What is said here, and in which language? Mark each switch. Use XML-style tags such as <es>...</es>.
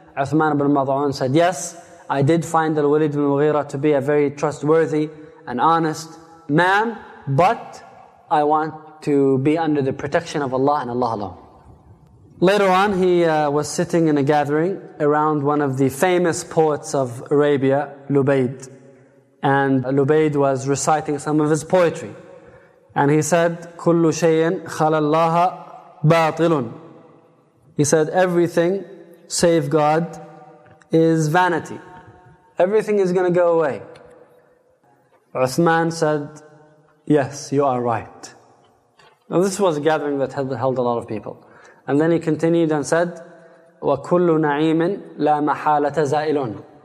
<en>Uthman bin Mad'un said, yes, I did find Al-Walid bin Mughira to be a very trustworthy and honest man, but I want to be under the protection of Allah and Allah alone. Later on, he was sitting in a gathering around one of the famous poets of Arabia, Lubayd. And Lubayd was reciting some of his poetry. And he said,</en> <ar>كُلُّ شَيْءٍ خَلَى اللَّهَ بَاطِلٌ.</ar> <en>He said, everything save God is vanity. Everything is going to go away. Uthman said, yes, you are right. Now this was a gathering that had held a lot of people. And then he continued and said,</en> <ar>وَكُلُّ نَعِيمٍ لَا مَحَالَةَ زَائِلٌ.</ar>